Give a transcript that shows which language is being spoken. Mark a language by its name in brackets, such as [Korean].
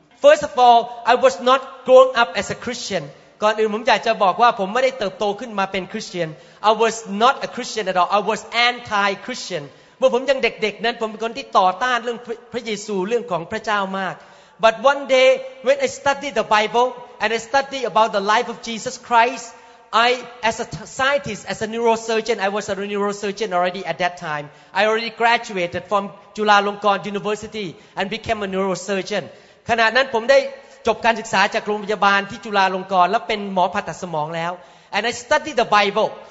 [English] First of all I was not growing up as a Christian [Thai] ก่อนอื่นผมอยากจะบอกว่าผมไม่ได้เติบโตขึ้นมาเป็นคริสเตียน [English] I was not a Christian at all I was anti-Christian [Thai] เมื่อผมยังเด็กๆนั้นผมเป็นคนที่ต่อต้านเรื่องพระเยซูเรื่องของพระเจ้ามาก [English] But one day, when I studied the Bible, and I studied about the life of Jesus Christ, I, as a scientist, as a neurosurgeon, I was a neurosurgeon already at that time. I already graduated from Chulalongkorn University and became a neurosurgeon. [Thai] ขณะนั้นผมได้จบการศึกษาจากโรงพยาบาลที่จุฬาลงกรณ์และเป็นหมอผ่าตัดสมองแล้ว [English] And I studied the Bible.